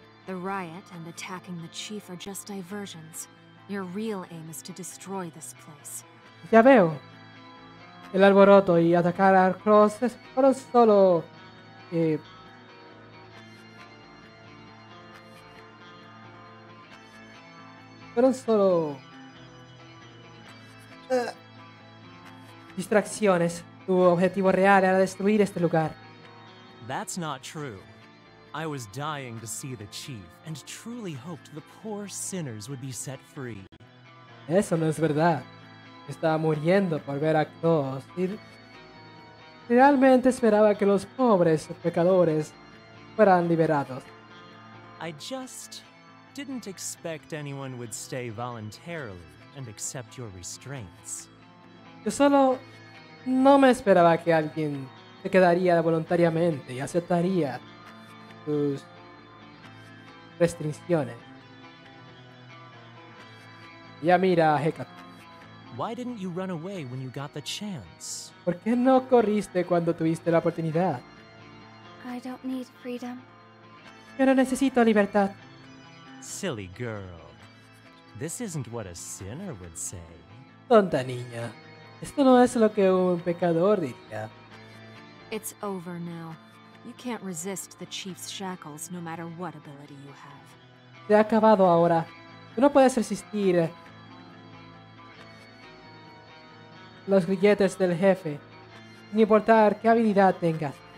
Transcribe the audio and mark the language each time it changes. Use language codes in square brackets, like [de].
[en] The riot and attacking the chief are just diversions. Your real aim is to destroy this place. [es] Ya veo. El alboroto y atacar a Xross fueron solo distracciones. Tu objetivo real era destruir este lugar. [en] That's not true. I was dying to see the chief and truly hoped the poor sinners would be set free. [es] Eso no es verdad. Estaba muriendo por ver a todos y realmente esperaba que los pobres pecadores fueran liberados. [en] I just didn't expect anyone would stay voluntarily and accept your restraints. [es] Yo solo no me esperaba que alguien se quedaría voluntariamente y aceptaría tus restricciones. Ya mira, Hecate. [en] Why didn't you run away when you got the chance? [es] ¿Por qué no corriste cuando tuviste la oportunidad? [en] I don't need freedom. [es] Yo no necesito libertad. [en] Silly girl. This isn't what a sinner would say. [es] Tonta niña. Esto no es lo que un pecador diría. [en] It's over now. You can't resist the chief's shackles no matter what ability you have. [es] Se ha acabado ahora. Tú no puedes resistir los grilletes del jefe, sin importar qué habilidad tengas.